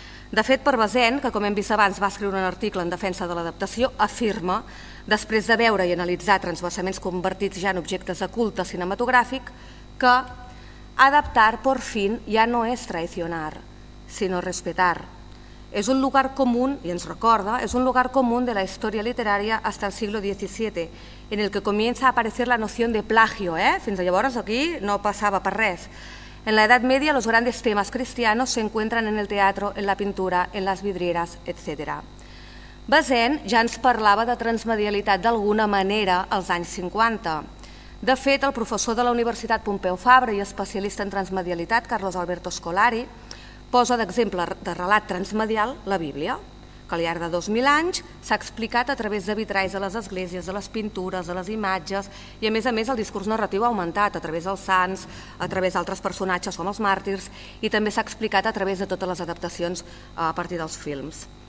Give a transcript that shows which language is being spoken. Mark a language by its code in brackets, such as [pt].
[ca] De fet, per Bazaine, que com hem vist abans va escriure un article en defensa de l'adaptació, afirma, després de veure i analitzar transvasaments convertits ja en objectes de culte cinematogràfic, que adaptar, [es] por fin, [ca] ja no és traicionar, sinó respetar. És un lugar comú, i ens recorda, és un lugar comú de la història literària [es] hasta el siglo XVII, [ca] en el que comença a aparecer la noció de plagio, fins llavors aquí no passava per res. [es] En la Edad Media, los grandes temas cristianos se encuentran en el teatro, en la pintura, en las vidrieras, etc. [ca] Bazaine ja ens parlava de transmedialitat d'alguna manera als anys 50. De fet, el professor de la Universitat Pompeu Fabra i especialista en transmedialitat, Carlos Alberto Scolari, posa d'exemple de relat transmedial la Bíblia, que al llarg de 2.000 anys s'ha explicat a través de vitralls de les esglésies, de les pintures, de les imatges, i a més el discurs narratiu ha augmentat a través dels sants, a través d'altres personatges com els màrtirs, i també s'ha explicat a través de totes les adaptacions a partir dels films.